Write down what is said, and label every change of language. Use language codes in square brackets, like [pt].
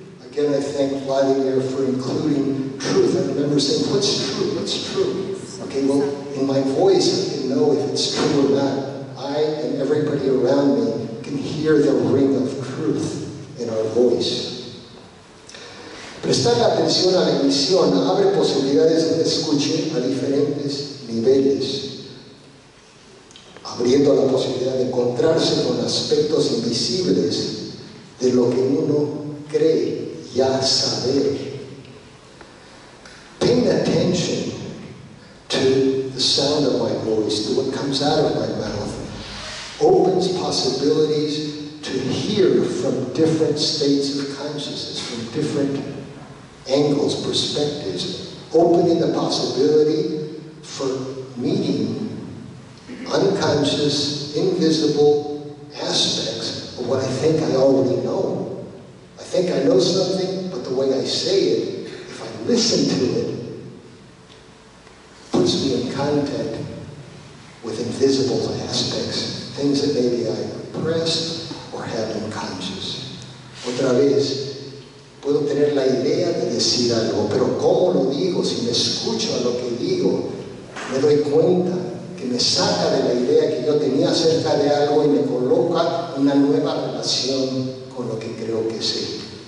[en] Again, I thank Vladimir for including truth. I remember saying, what's true? What's true? Okay, well, in my voice, I can know if it's true or not. I and everybody around me can hear the ring of truth in our voice. [es] Prestar atención a la emisión abre posibilidades de escuche a diferentes niveles, abriendo la posibilidad de encontrarse con aspectos invisibles de lo que uno cree. Ya saber. [en] Paying attention to the sound of my voice, to what comes out of my mouth, opens possibilities to hear from different states of consciousness, from different angles, perspectives, opening the possibility for meeting unconscious, invisible aspects of what I think I already know. I think I know something, but the way I say it, if I listen to it, puts me in contact with invisible aspects, things that maybe I repressed or have unconscious. [es] Otra vez, puedo tener la idea de decir algo, pero ¿cómo lo digo? Si me escucho a lo que digo, me doy cuenta que me saca de la idea que yo tenía acerca de algo y me coloca una nueva relación con lo que creo que sé.